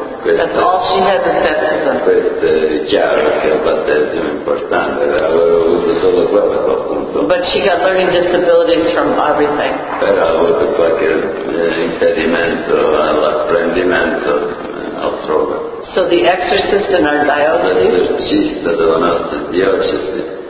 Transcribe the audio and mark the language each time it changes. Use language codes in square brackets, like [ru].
[en] That's all she has is baptism. [it] Questo è chiaro che il battesimo è importante. Avevo avuto solo quello, appunto. [en] But she got learning disabilities from everything. [it] Però ha avuto qualche impedimento all'apprendimento altrove. [en] So the exorcist in our diocese. [it] L'esorcista della nostra diocesi.